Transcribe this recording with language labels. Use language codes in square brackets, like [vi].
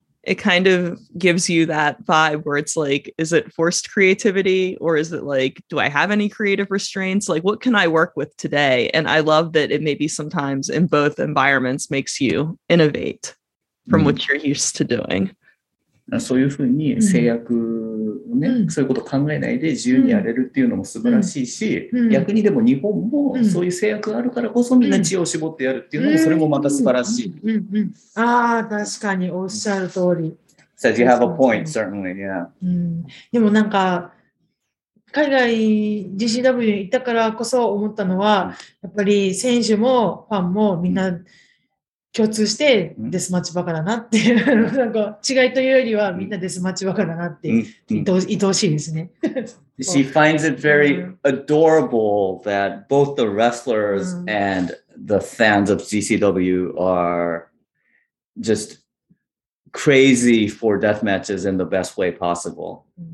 [en] it kind of gives you that vibe where it's like, is it forced creativity or is it like, do I have any creative restraints? Like, what can I work with today? And I love that it maybe sometimes in both environments makes you innovate from what you're used to doing. [ja] そういうふうに制約をね、そういうこと考えないで自由にやれるっていうのも素晴らしいし、逆にでも日本もそういう制約があるからこそみんな知恵を絞ってやるっていうのもそれもまた素晴らしい。ああ、確かにおっしゃる通り。 [en] So you have a point, certainly, yeah. [ja] でもなんか、海外 GCW に行ったからこそ思ったのは、やっぱり選手もファンもみんな、共通してデスマッチバカだなっていう、なんか違いというよりはみんなデスマッチバカだなって愛おしいですね。 [en] She finds it very adorable that both the wrestlers and the fans of GCW are just crazy for death matches in the best way possible.